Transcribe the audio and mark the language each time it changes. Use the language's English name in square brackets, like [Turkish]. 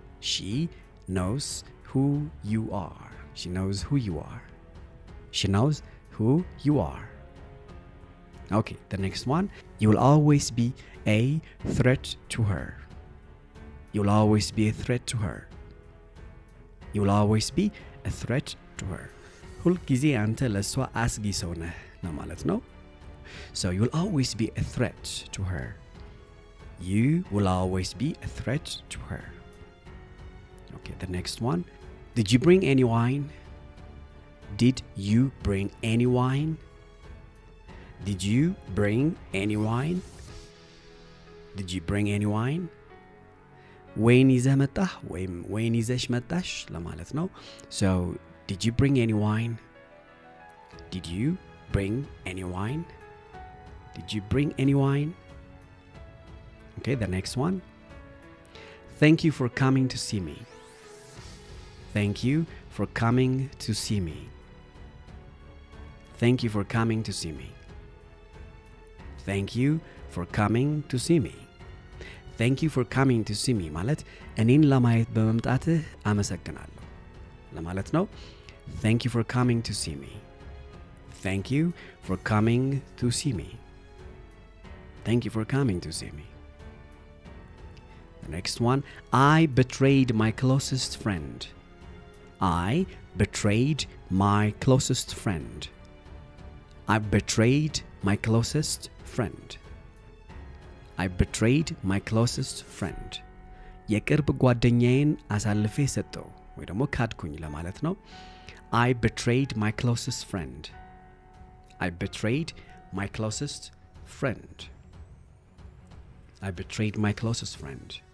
[English] She knows who you are. She knows who you are. She knows who you are. Okay, the next one. You'll always be a threat to her. You'll always be a threat to her. You'll always be a threat to her. [Amharic] ሁልጊዜ አንተ ለሷ አስጊ ሰው ነህ ነው ማለት ነው. [English] So you'll always be a threat to her. You will always be a threat to her. Okay, the next one. Did you bring any wine? Did you bring any wine? Did you bring any wine? Did you bring any wine? [Amharic] ወይን ይዘህ መጣህ ወይም ወይን ይዘሽ መጣሽ ለማለት ነው. [English] So, did you bring any wine? Did you bring any wine? Did you bring any wine? Okay, the next one. Thank you for coming to see me. Thank you for coming to see me. Thank you for coming to see me. Thank you for coming to see me. Thank you for coming to see me. [Amharic] ማለት እኔን ለማየት በመምጣትህ አመሰግናለሁ ለማለት ነው. [English] Thank you for coming to see me. Thank you for coming to see me. Thank you for coming to see me. Next one. I betrayed my closest friend. I betrayed my closest friend. I betrayed my closest friend. I betrayed my closest friend. [Amharic] የቅርብ ጓደኛዬን አሳልፌ ሰጠው ወይ ደግሞ ካድኩኝ ለማለት ነው. [English] I betrayed my closest friend. I betrayed my closest friend. I betrayed my closest friend.